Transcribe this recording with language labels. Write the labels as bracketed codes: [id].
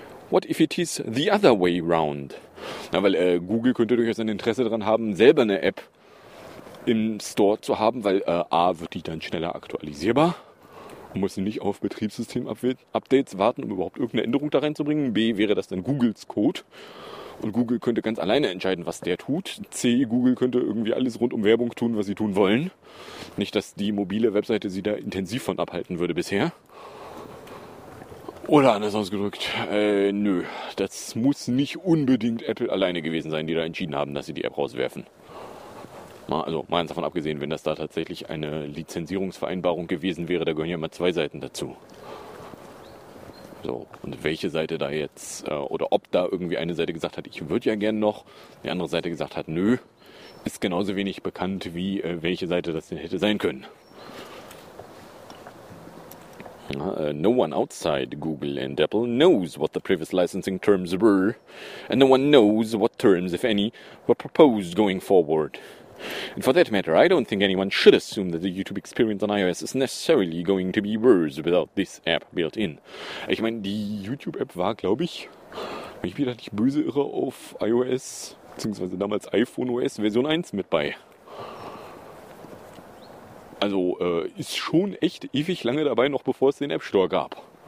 [en] What if it is the other way round? [de] Na, weil Google könnte durchaus ein Interesse daran haben, selber eine App im Store zu haben, weil wird die dann schneller aktualisierbar und muss nicht auf Betriebssystem-Updates warten, um überhaupt irgendeine Änderung da reinzubringen. B, wäre das dann Googles Code und Google könnte ganz alleine entscheiden, was der tut. C, Google könnte irgendwie alles rund um Werbung tun, was sie tun wollen. Nicht, dass die mobile Webseite sie da intensiv von abhalten würde bisher. Oder anders ausgedrückt, nö, das muss nicht unbedingt Apple alleine gewesen sein, die da entschieden haben, dass sie die App rauswerfen. Also, mal davon abgesehen, wenn das da tatsächlich eine Lizenzierungsvereinbarung gewesen wäre, da gehören ja immer zwei Seiten dazu. So, und welche Seite da jetzt, oder ob da irgendwie eine Seite gesagt hat, ich würde ja gern noch, die andere Seite gesagt hat, nö, ist genauso wenig bekannt, wie welche Seite das denn hätte sein können. [en] No one outside Google and Apple knows what the previous licensing terms were, and no one knows what terms, if any, were proposed going forward. And for that matter, I don't think anyone should assume that the YouTube experience on iOS is necessarily going to be worse without this app built in. [de] Ich meine, die YouTube-App war, glaube ich, wenn ich mich da nicht böse irre, auf iOS, beziehungsweise damals iPhone OS Version 1 mit bei. Also ist schon echt ewig lange dabei, noch bevor es den App Store gab.